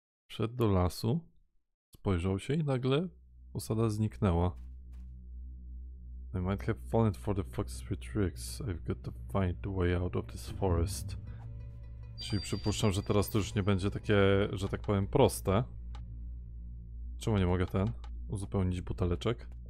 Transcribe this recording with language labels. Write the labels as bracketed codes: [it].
[pl] Wszedł do lasu, spojrzał się i nagle osada zniknęła. [en] I might have fallen for the fox spirit tricks. I've got to find the way out of this forest. [pl] Czyli przypuszczam, że teraz to już nie będzie takie, że tak powiem, proste. Czemu nie mogę ten uzupełnić buteleczek?